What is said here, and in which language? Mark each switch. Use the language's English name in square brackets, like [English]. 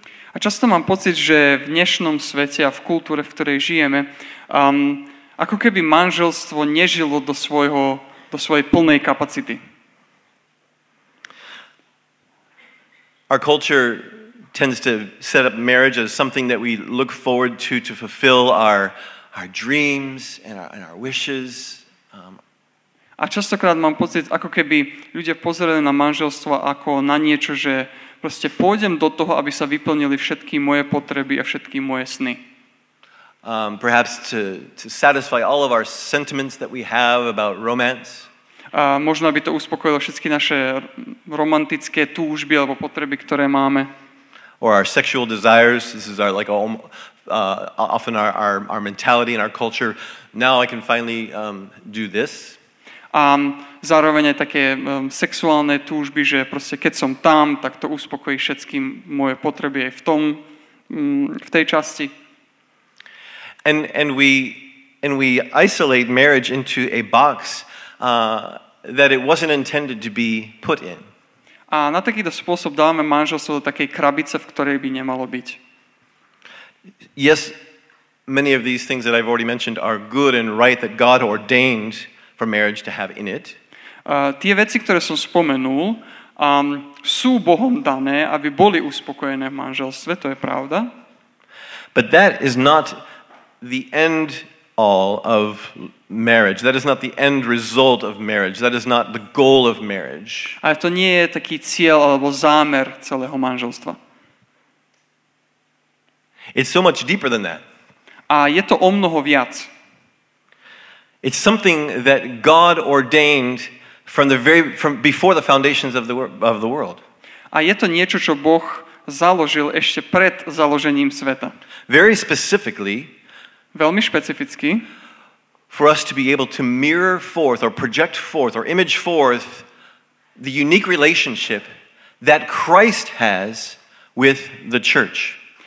[Slovak] A často mám pocit, že v dnešnom svete a v kultúre, v ktorej žijeme, ako keby manželstvo nežilo do svojej plnej kapacity. [English] Our culture tends to set up marriage as something that we look forward to fulfill our dreams and our wishes. [Slovak] A častokrát mám pocit, ako keby ľudia pozerali na manželstvo ako na niečo, že proste pôjdem do toho, aby sa vyplnili všetky moje potreby a všetky moje sny. [English] Perhaps to satisfy all of our sentiments that we have about romance. [Slovak] A možno by to uspokojilo všetky naše romantické túžby alebo potreby, ktoré máme. [English] Or our sexual desires. This is often our mentality and our culture. Now I can finally do this. [Slovak] A zároveň aj také sexuálne túžby, že proste keď som tam, tak to uspokojí všetky moje potreby aj v tej časti. [English] And we isolate marriage into a box that it wasn't intended to be put in. [Slovak] A na takýto spôsob dávame manželstvo do takej krabice, v ktorej by nemalo byť. [English] Yes, many of these things that I've already mentioned are good and right that God ordained for marriage to have in it. [Slovak] Tie veci, ktoré som spomenul, sú Bohom dané, aby boli uspokojené v manželstve, to je pravda. [English] But that is not the end all of marriage. That is not the end result of marriage. That is not the goal of marriage. [Slovak] A to nie je taký cieľ alebo zámer celého manželstva. [English] It's so much deeper than that. [Slovak] A je to o mnoho viac. [English] It's something that God ordained from before the foundations of the world. [Slovak] A je to niečo, čo Boh založil ešte pred založením sveta. [English] Very specifically, [Slovak] veľmi špecificky, [English] for us to be able to mirror forth or project forth or image forth the unique relationship that Christ has with the church.